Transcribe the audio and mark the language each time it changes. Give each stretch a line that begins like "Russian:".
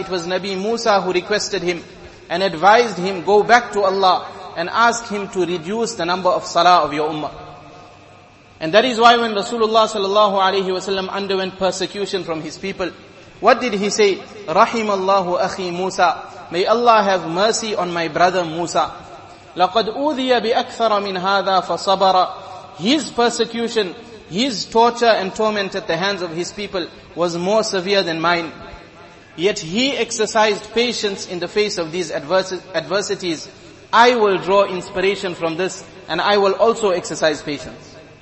English: It was Nabi Musa who requested him and advised him, go back to Allah and ask him to reduce the number of salah of your ummah. And that is why when Rasulullah sallallahu alayhi wasallam underwent persecution from his people, what did he say?
Arabic: رحم الله أخي موسى.
English: May Allah have mercy on my brother Musa.
Arabic: لقد أوذي بأكثر من هذا فصبر.
English: His persecution his torture and torment at the hands of his people was more severe than mine. Yet he exercised patience in the face of these adversities. I will draw inspiration from this, and I will also exercise patience.